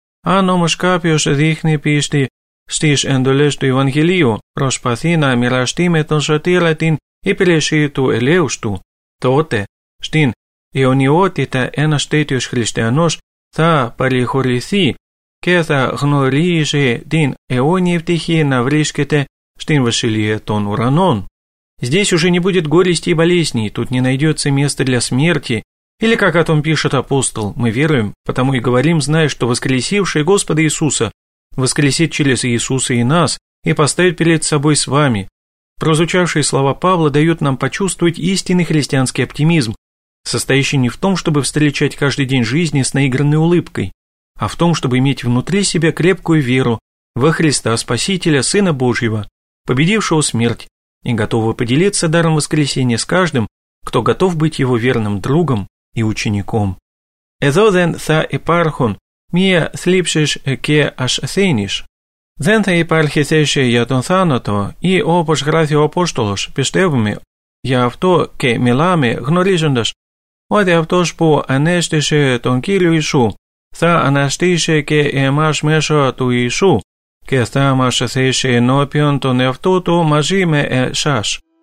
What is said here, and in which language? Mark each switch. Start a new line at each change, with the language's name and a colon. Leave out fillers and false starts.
Greek: Αν όμως κάποιος δείχνει πίστη στις εντολές του Ευαγγελίου, προσπαθεί να μοιραστεί με τον Σωτήρα την υπηρεσία του ελέους του, τότε στην αιωνιότητα ένας τέτοιος χριστιανός θα παρηχωρηθεί και θα γνωρίζει την αιώνια ευτυχία να βρίσκεται στην Βασιλεία των Ουρανών.
Russian: Здесь уже не будет горести и болезней, тут не найдется места для смерти. Или как о том пишет апостол, мы веруем, потому и говорим, зная, что воскресивший Господа Иисуса воскресит через Иисуса и нас и поставит перед собой с вами. Прозвучавшие слова Павла дают нам почувствовать истинный христианский оптимизм, состоящий не в том, чтобы встречать каждый день жизни с наигранной улыбкой, а в том, чтобы иметь внутри себя крепкую веру во Христа Спасителя, Сына Божьего, победившего смерть, и готового поделиться даром воскресения с каждым, кто готов быть его верным другом и учеником.
Greek: «Εδώ δεν θα υπάρχουν μία θλίψης και ασθένης. Δεν θα υπάρχει θέση για τον θάνατο, ή όπως γράφει ο Απόστολος, πιστεύουμε, για αυτό και μιλάμε γνωρίζοντας, ότι αυτός που ανέστησε τον Κύριο Ιησού θα αναστήσει και εμάς μέσω του Ιησού και θα μας θέσει ενώπιον τον εαυτό του μαζί με εσάς.